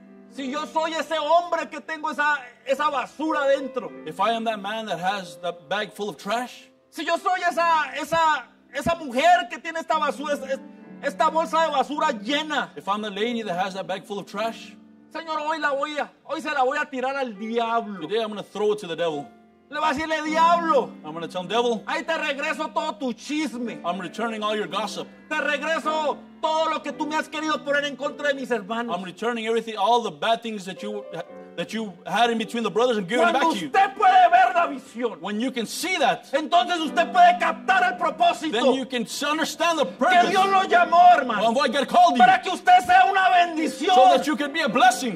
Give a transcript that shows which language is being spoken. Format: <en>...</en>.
<es>Si yo soy ese hombre que tengo esa basura dentro.</es> <en>If I am that man that has that bag full of trash.</en> <es>Si yo soy esa mujer que tiene esta basura, esta bolsa de basura llena.</es> <en>If I'm the lady that has that bag full of trash.</en> <es>Señor, hoy se la voy a tirar al diablo.</es> <en>Today I'm going to throw it to the devil.</en> <es>Le va a decirle, diablo.</es> <en>I'm going to tell him, devil.</en> <es>Ahí te regreso todo tu chisme.</es> <en>I'm returning all your gossip.</en> <es>Te regreso todo lo que tú me has querido poner en contra de mis hermanos.</es> <en>I'm returning everything, all the bad things that you had in between the brothers and giving</en> <es>cuando</es> <en>back to you.</en> <es>Cuando usted puede ver la visión.</es> <en>When you can see that.</en> <es>Entonces usted puede captar el propósito.</es> <en>Then you can understand the purpose.</en> <es>Que Dios lo llamó, hermano.</es> <en>On what God called you.</en> <es>Para que usted sea una bendición.</es> <en>So that you can be a blessing.</en>